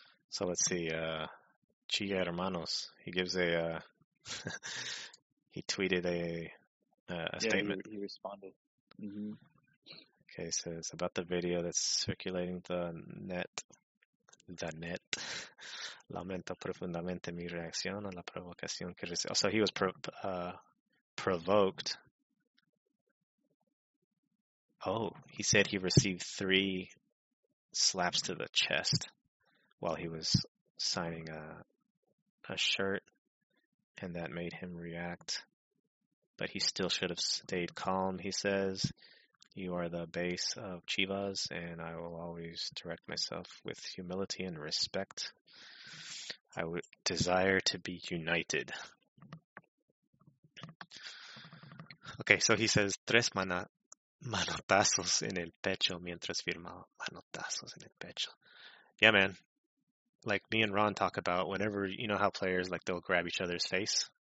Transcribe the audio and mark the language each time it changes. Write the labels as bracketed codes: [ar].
[en] So let's see, Chia Hermanos, he gives a he tweeted a statement. He responded. Mm-hmm. Okay, so it's about the video that's circulating the net. The net. [es] Lamento profundamente mi reacción a la provocación que recibí. [en] So he was provoked. Oh, he said he received 3 slaps to the chest while he was signing a shirt, and that made him react. But he still should have stayed calm, he says. You are the base of Chivas, and I will always direct myself with humility and respect. I would desire to be united. Okay, so he says, [es] tres manotazos en el pecho mientras firmaba. Manotazos en el pecho. [en] Yeah, man. Like me and Ron talk about, whenever, you know how players, like, they'll grab each other's face?